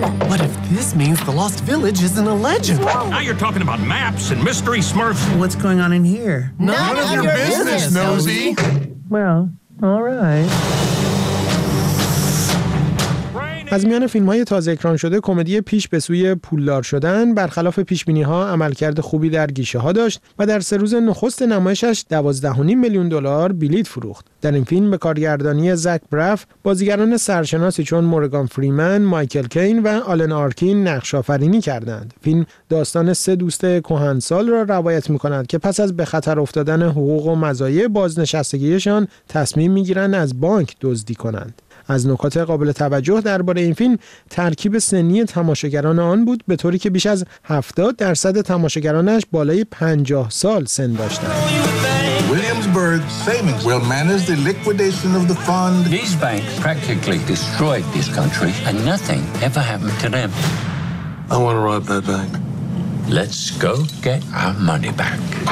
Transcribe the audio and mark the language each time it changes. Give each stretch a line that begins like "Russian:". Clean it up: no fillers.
English: What if this means the lost village isn't a legend? Now you're talking about maps and mystery smurfs. What's going on in here? None of your business, Nosy. Well, all right.
Persian: از میان فیلم‌های تازه اکران شده کمدی پیش به سوی پولدار شدن برخلاف پیش‌بینی‌ها عملکرد خوبی در گیشه‌ها داشت و در سه روز نخست نمایشش 12.5 میلیون دلار بلیط فروخت. در این فیلم به کارگردانی زک براف بازیگران سرشناسی چون مورگان فریمن، مایکل کین و آلن آرکین نقش‌آفرینی کردند. فیلم داستان سه دوست کهنسال را روایت می‌کند که پس از به خطر افتادن حقوق و مزایای بازنشستگی‌شان تصمیم می‌گیرند از بانک دزدی کنند. از نکات قابل توجه درباره این فیلم ترکیب سنی تماشاگران آن بود به طوری که بیش از 70% تماشاگرانش بالای 50 سال سن داشتند.
English: Williamsburg Savings will manage the liquidation of the fund. These banks practically destroyed this country and nothing ever happened to them. I want to rob that bank. Let's go get our money back.